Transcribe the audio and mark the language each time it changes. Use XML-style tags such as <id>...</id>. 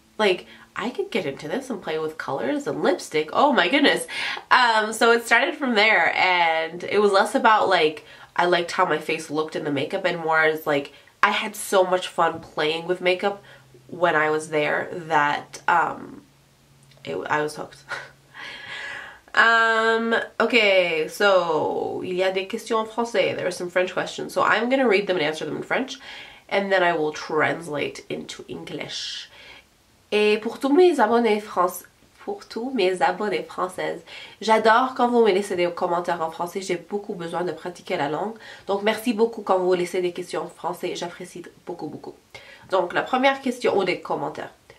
<en>Like, I could get into this and play with colors and lipstick. Oh my goodness. So it started from there, and it was less about like, I liked how my face looked in the makeup, and more as like, I had so much fun playing with makeup when I was there that I was hooked. okay, so</en> <fr>il y a des questions en français.</fr> <en>There are some French questions, so I'm gonna read them and answer them in French, and then I will translate into English.</en> <fr>Et pour tous mes abonnés françaises, j'adore quand vous me laissez des commentaires en français. J'ai beaucoup besoin de pratiquer la langue, donc merci beaucoup quand vous laissez des questions en français. J'apprécie beaucoup beaucoup. Donc la première question, ou des commentaires.</fr>